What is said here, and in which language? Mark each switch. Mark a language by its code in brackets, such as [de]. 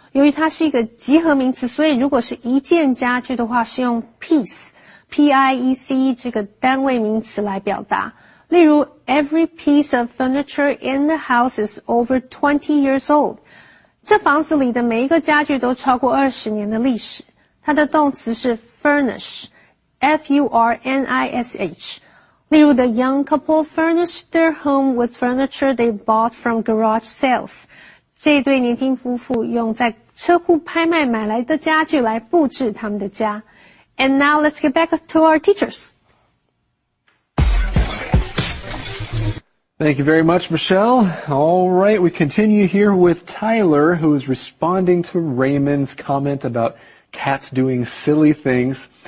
[zh] 由于它是一个集合名词，所以如果是一件家具的话是用 piece。 P-I-E-C 这个单位名词来表达。例如 [en] ,every piece of furniture in the house is over 20 years old. [zh] 这房子里的每一个家具都超过20年的历史。它的动词是 furnish, F-U-R-N-I-S-H。例如 [en] ,the young couple furnished their home with furniture they bought from garage sales. [zh] 这对年轻夫妇用在车库拍卖买来的家具来布置他们的家。 [en] And now let's get back to our teachers. Thank you very much, Michelle. All right, we continue here with Tyler, who is responding to Raymond's comment about cats doing silly things.